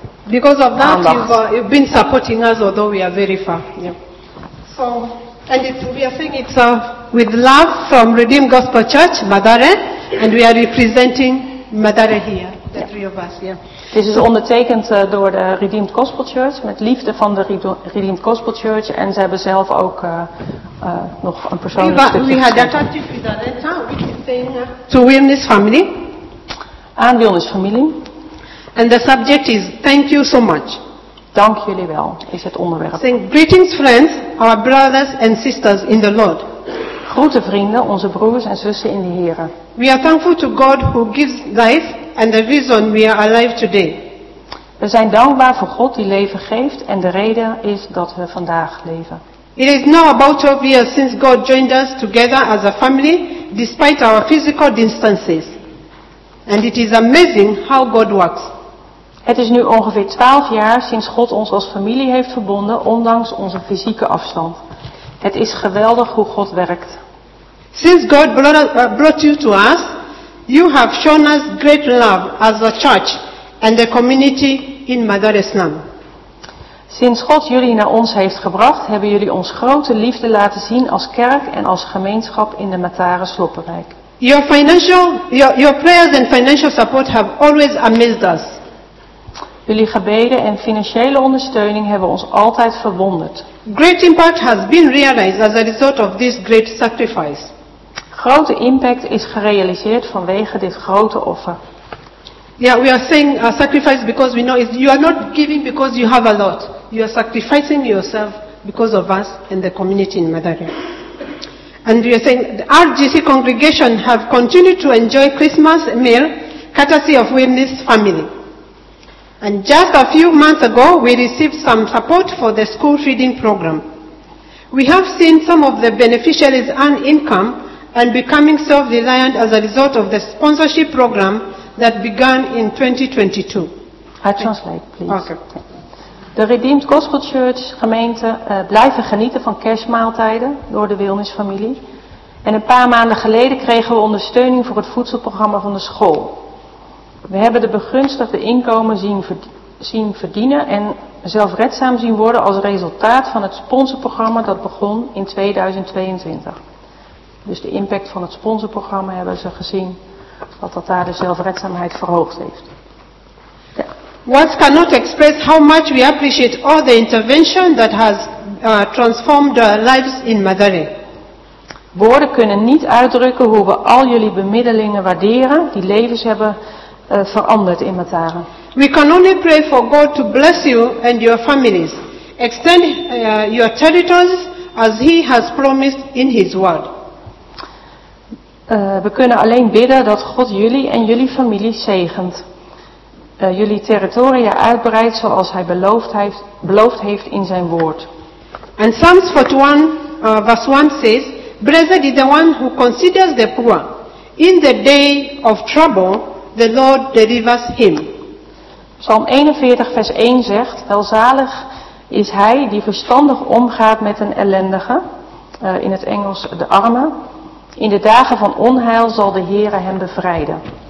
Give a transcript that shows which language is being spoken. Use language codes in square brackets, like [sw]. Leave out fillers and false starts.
[en] Because of that you've been supporting us although we are very far. Yeah. So and we are saying it's with love from Redeemed Gospel Church, Madare, and we are representing Madare here. Het yeah. [nl] is ondertekend door de Redeemed Gospel Church, met liefde van de Redeemed Gospel Church, en ze hebben zelf ook nog een persoonlijk stukje geschreven. [en] We had that attitude with Wilmy's family. [nl] Aan Wilmy's familie. [en] And the subject is thank you so much. [nl] Dank jullie wel, is het onderwerp. [en] Saying, greetings friends, our brothers and sisters in the Lord. [nl] Groeten vrienden, onze broers en zussen in de Here. [en] We are thankful to God who gives life and the reason we are alive today. [nl] We zijn dankbaar voor God die leven geeft en de reden is dat we vandaag leven. [en] It is now about 12 years since God joined us together as a family despite our physical distances. And it is amazing how God works. [nl] Het is nu ongeveer 12 jaar sinds God ons als familie heeft verbonden ondanks onze fysieke afstand. Het is geweldig hoe God werkt. [en] Since God brought you to us, you have shown us great love as a church and the community in Madare Slum. [nl] Sinds God jullie naar ons heeft gebracht, hebben jullie ons grote liefde laten zien als kerk en als gemeenschap in de Matare Sloppenwijk. [en] Your prayers and financial support have always amazed us. [nl] Jullie gebeden en financiële ondersteuning hebben ons altijd verwonderd. [en] Great impact has been realized as a result of this great sacrifice. [nl] Grote impact is gerealiseerd vanwege dit grote offer. [en] Yeah, we are saying a sacrifice because we know you are not giving because you have a lot. You are sacrificing yourself because of us and the community in Madaria. And we are saying the RGC congregation have continued to enjoy Christmas meal courtesy of Wilmy's family. And just a few months ago, we received some support for the school feeding program. We have seen some of the beneficiaries earn income and becoming self-reliant as a result of the sponsorship program that began in 2022. I translate, please. Okay. [nl] De Redeemed Gospel Church gemeente blijven genieten van kerstmaaltijden door de Wilmis-familie. En een paar maanden geleden kregen we ondersteuning voor het voedselprogramma van de school. We hebben de begunstigde inkomen zien verdienen en zelfredzaam zien worden als resultaat van het sponsorprogramma dat begon in 2022. Dus de impact van het sponsorprogramma hebben ze gezien, dat daar de zelfredzaamheid verhoogd heeft. [en] Words cannot express how much we appreciate all the intervention that has transformed our lives in Madari. [nl] Woorden kunnen niet uitdrukken hoe we al jullie bemiddelingen waarderen die levens hebben veranderd in Madari. [en] We can only pray for God to bless you and your families. Extend your territories as he has promised in his word. [nl] We kunnen alleen bidden dat God jullie en jullie familie zegent. Jullie territoria uitbreidt zoals hij beloofd heeft in zijn woord. [en] En Psalms 41, verse 1 says, blessed is the one who considers the poor. In the day of trouble, the Lord delivers him. [nl] Psalm 41, vers 1 zegt, welzalig is hij die verstandig omgaat met een ellendige, in het Engels de arme. In de dagen van onheil zal de Heere hem bevrijden.